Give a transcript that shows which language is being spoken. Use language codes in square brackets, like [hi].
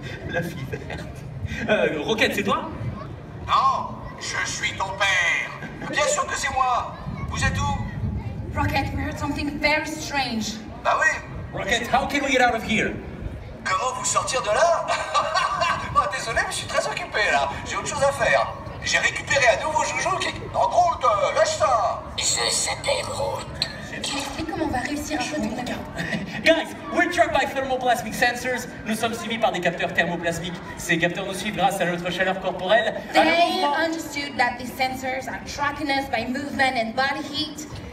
[fr] La fille verte. Rocket, c'est toi? Non, je suis ton père. Bien sûr que c'est moi. Vous êtes où? [en] Rocket, we heard something very strange. [fr] Bah oui! [en] Rocket, how can we get out of here? [fr] Comment vous sortir de là? Oh, désolé, mais je suis très occupé là. J'ai autre chose à faire. J'ai récupéré un nouveau joujou qui... Non, drôle de... Lâche ça! C'est drôle. Mais comment on va réussir à jouer de... [en] Guys, we're tracked by thermoplasmic sensors. [fr] Nous sommes suivis par des capteurs thermoplasmiques. Ces capteurs nous suivent grâce à notre chaleur corporelle. [en] They understood that these sensors are tracking us by movement and body heat.